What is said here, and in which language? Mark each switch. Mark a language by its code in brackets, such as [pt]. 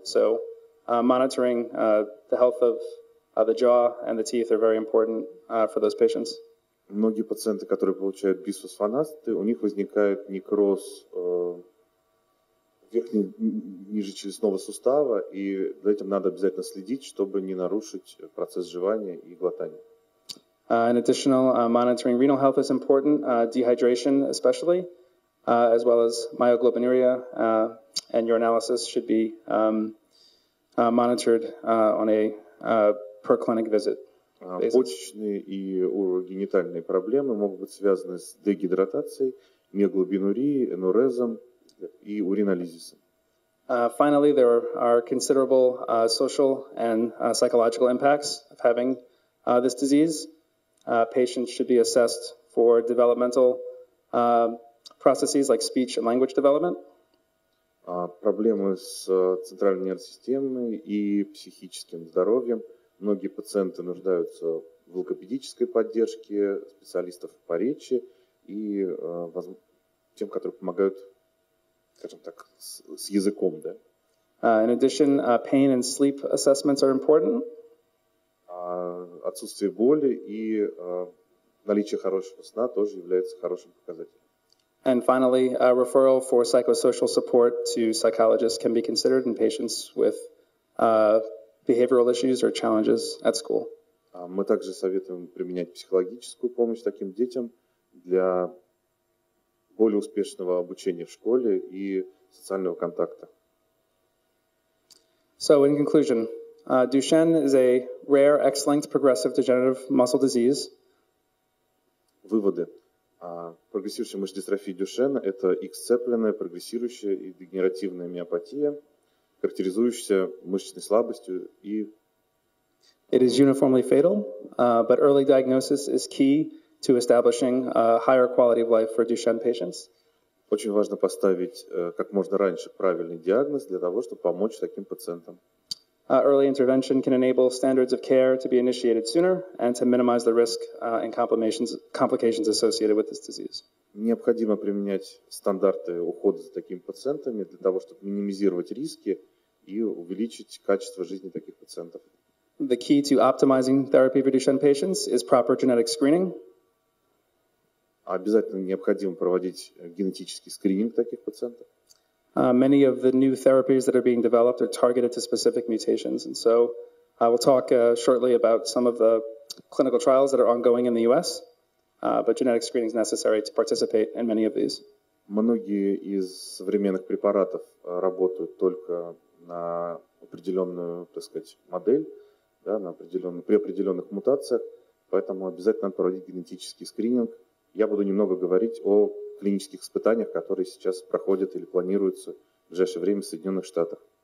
[en] So monitoring the health of the jaw and the teeth are very important for those patients. [ru] Многие пациенты, которые получают бисфосфонаты, у них возникает некроз ниже челюстного сустава, и за этим надо обязательно следить, чтобы не нарушить процесс жевания и глотания. [en] An additional monitoring renal health is important, dehydration especially, as well as myoglobinuria and urinalysis should be monitored on a per-clinic visit. [ru] Почечные и урогенитальные проблемы могут быть связаны с дегидратацией, миоглобинурией, энурезом и уринализисом. [en] Finally, there are considerable social and psychological impacts of having this disease. Patients should be assessed for developmental processes like speech and language development. [ru] Проблемы с центральной нервной системой и психическим здоровьем. Многие пациенты нуждаются в логопедической поддержке, специалистов по речи и тем, которые помогают, скажем так, с языком, да? [en] In addition, pain and sleep assessments are important. [ru] Отсутствие боли и наличие хорошего сна тоже является хорошим показателем. [en] And finally, a referral for psychosocial support to psychologists can be considered in patients with behavioral issues or challenges at school. [ru] Мы также советуем применять психологическую помощь таким детям для более успешного обучения в школе и социального контакта. [en] So, in conclusion, Duchenne is a rare X-linked progressive degenerative muscle disease. [ru] Выводы. Прогрессирующая мышечная дистрофия Дюшенна – это X-цепленная прогрессирующая и дегенеративная миопатия, характеризующаяся мышечной слабостью и… [en] It is uniformly fatal, but early diagnosis is key to establishing a higher quality of life for Duchenne patients. [ru] Очень важно поставить как можно раньше правильный диагноз для того, чтобы помочь таким пациентам. [en] Early intervention can enable standards of care to be initiated sooner and to minimize the risk and complications associated with this disease. [ru] Необходимо применять стандарты ухода за такими пациентами для того, чтобы минимизировать риски и увеличить качество жизни таких пациентов. [en] The key to optimizing therapy for Duchenne patients is proper genetic screening. [ru] Обязательно необходимо проводить генетический скрининг таких пациентов. [en] Many of the new therapies that are being developed are targeted to specific mutations, and so I will talk shortly about some of the clinical trials that are ongoing in the U.S. But genetic screening is necessary to participate in many of these. [ru] Многие из современных препаратов работают только на определенную, так сказать, модель, да, на определенную при определенных мутациях, поэтому обязательно надо проводить генетический скрининг. Я буду немного говорить о клинических испытаниях, которые сейчас проходят или планируются в ближайшее время в Соединенных Штатах.